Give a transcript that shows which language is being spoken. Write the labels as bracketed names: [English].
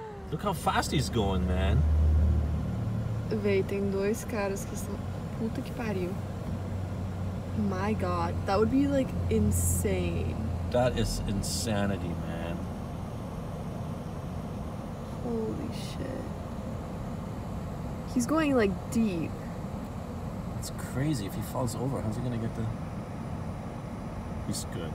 [English] Look how fast he's going, man. [Portuguese] Véi, tem dois caras que estão... Puta que pariu. [English] My god, that would be like insane. That is insanity, man. Holy shit. He's going like deep. It's crazy. If he falls over, how's he gonna get the... He He's good.